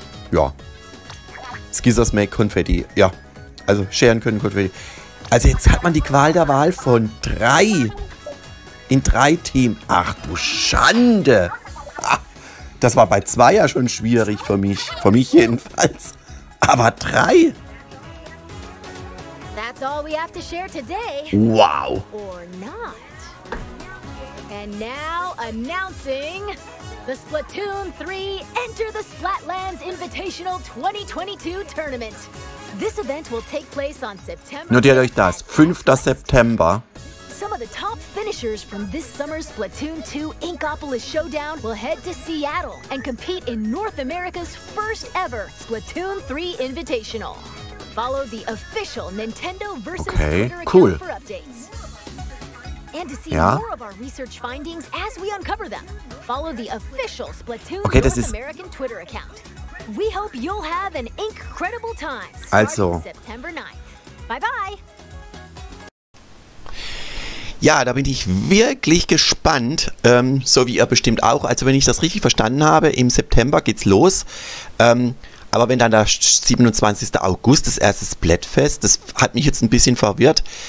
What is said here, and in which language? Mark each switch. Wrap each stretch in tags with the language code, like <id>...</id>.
<de>Ja.</de> <en>Skizzers make Konfetti.</en> <de>Ja. Also scheren können Konfetti. Also jetzt hat man die Qual der Wahl von drei. In drei Teams. Ach du Schande. Das war bei zwei ja schon schwierig für mich. Für mich jedenfalls. Aber drei?</de> <en>That's all we have to share today. Wow. Or not. And now announcing the Splatoon 3 Enter the Splatlands Invitational 2022 Tournament. This event will take place on September.</en> <de>Notiert euch das, 5. September.</de> <en>Some of the top finishers from this summer's Splatoon 2 Inkopolis Showdown will head to Seattle and compete in North America's first ever Splatoon 3 Invitational. Follow the official Nintendo versus okay, Twitter cool. account for updates. And to see ja. more of our research findings as we uncover them, follow the official Splatoon okay, North</en> <de>ist...</de> <en>American Twitter account. We hope you'll have an incredible time</en> <de>also.</de> <en>September 9th. Bye-bye!</en> <de>Ja, da bin ich wirklich gespannt, so wie ihr bestimmt auch. Also wenn ich das richtig verstanden habe, im September geht's los. Aber wenn dann der 27. August, das erste Splatfest, das hat mich jetzt ein bisschen verwirrt.</de>